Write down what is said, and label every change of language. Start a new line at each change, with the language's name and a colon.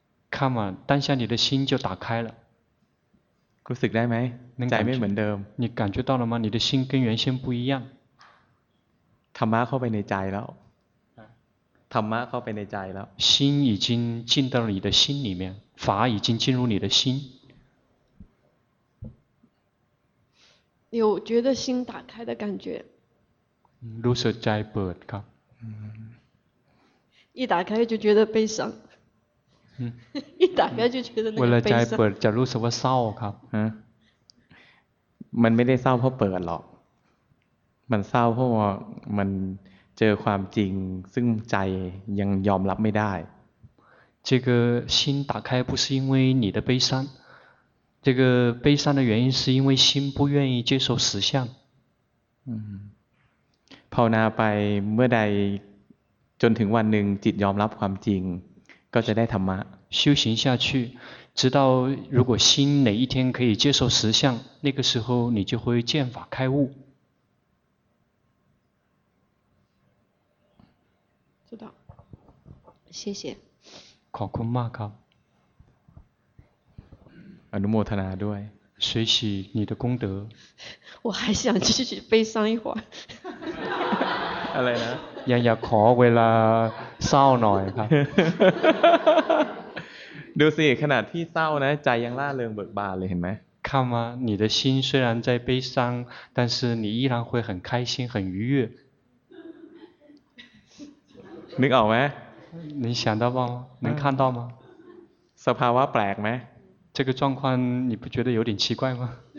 Chinese: 看嘛当下你的心就打开了
Thai: รู้สึกได้ไหมใจไม่เหมือนเดิม
Chinese: 你感觉到了吗你的心跟原先不一样
Thai: ธรรมะเข้าไปในใจแล้วธรรมะเข้าไปในใจแล้ว
Chinese: 心已经进到你的心里面法已经进入你的心有觉得心打开的感觉
Thai: รู้สึกใจเปิดครับ
Chinese: 一打开就觉得悲伤一打开就觉得那个悲伤
Thai: เวลาใจเปิดจะรู้สึกว่าเศร้าครับ มันไม่ได้เศร้าเพราะเปิดหรอกมันเศร้าเพราะว่ามันเจอความจริงซึ่งใจยังยอมรับไม่ได้
Chinese: 这个心打开不是因为你的悲伤这个悲伤的原因是因为心不愿意接受实相
Thai: ภาวนาไปเมื่อใดจนถึงวันหนึ่งจิตยอมรับความจริงก็จะได้ธรรมะ
Chinese: 修行下去直到如果心哪一天可以接受实相那个时候你就会见法开悟知道，谢谢。
Thai: ขอบคุณมากครับ。 อนุโมทนาด้วย。
Chinese: 随喜你的功德。我还想继续悲伤一会
Thai: 儿。อะไรนะ？ ยังอยากขอเวลาเศร้าหน่อยครับ。 ดูสิขนาดที่เศร้านะใจยังร่าเริงเบิกบานเลยเห็นไหม？
Chinese: 看吗？你的心虽然在悲伤，但是你依然会很开心，很愉悦。
Thai: นึกออกมั้ย
Chinese: 你想到吗能看到吗
Thai: สภาวะแปลกมั้ย
Chinese: 这个状况你不觉得有点奇怪吗